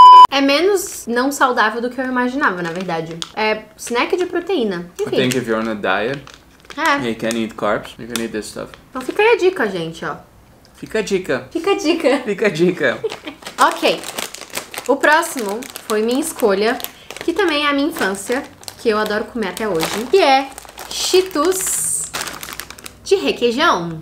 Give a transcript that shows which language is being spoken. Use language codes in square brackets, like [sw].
[pt] É menos não saudável do que eu imaginava, na verdade. É snack de proteína. Enfim. [en] I think if you're on a diet, you can eat carbs, you can eat this stuff. [pt] Então fica aí a dica, gente, ó. Fica a dica. Fica a dica. Fica a dica. Ok. O próximo foi minha escolha, que também é a minha infância, que eu adoro comer até hoje. Que é Cheetos de requeijão.